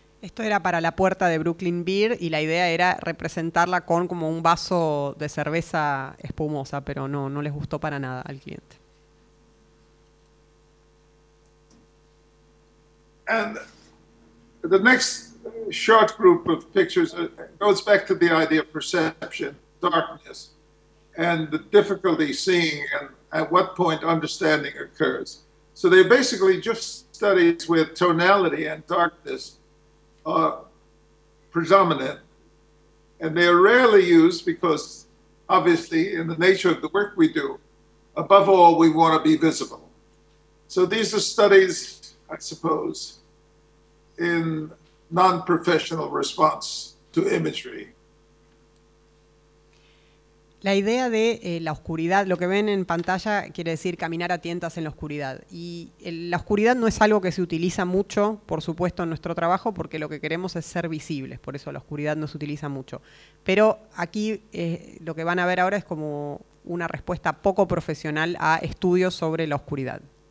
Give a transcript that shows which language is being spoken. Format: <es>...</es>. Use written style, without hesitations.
<es>Esto era para la puerta de Brooklyn Beer y la idea era representarla con como un vaso de cerveza espumosa, pero no les gustó para nada al cliente.</es> <en>And the next short group of pictures goes back to the idea of perception, darkness, and the difficulty seeing and at what point understanding occurs. So they're basically just studies with tonality and darkness are predominant, and they are rarely used because, obviously, in the nature of the work we do, above all, we want to be visible. So these are studies, I suppose, in non-professional response to imagery.</en> <es>La idea de la oscuridad, lo que ven en pantalla quiere decir caminar a tientas en la oscuridad. Y la oscuridad no es algo que se utiliza mucho, por supuesto, en nuestro trabajo, porque lo que queremos es ser visibles, por eso la oscuridad no se utiliza mucho. Pero aquí lo que van a ver ahora es como una respuesta poco profesional a estudios sobre la oscuridad.</es>